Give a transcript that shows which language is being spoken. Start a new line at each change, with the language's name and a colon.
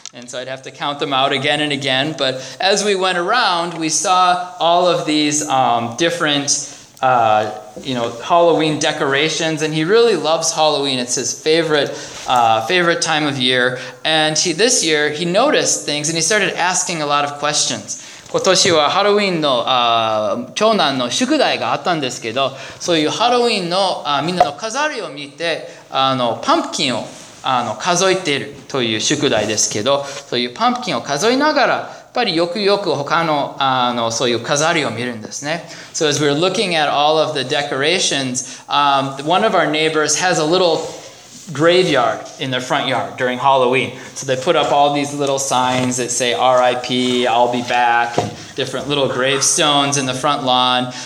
English: And so I'd have to count them out again and again. But as we went around, we saw all of these different Halloween decorations, and he really loves Halloween. It's his favorite favorite time of year. And he, this year, he noticed things, and he started asking a lot of questions.
Japanese: 今年はハロウィンの長男の宿題があったんですけど、そういうハロウィンのみんなの飾りを見て、パンプキンを数えているという宿題ですけど、そういうパンプキンを数えながら、やっぱりよくよく他の、そういう飾りを見るんですね。
English: So as we're looking at all of the decorations, one of our neighbors has a little graveyard in their front yard during Halloween. So they put up all these little signs that say RIP, I'll be back, and different little gravestones in the front lawn.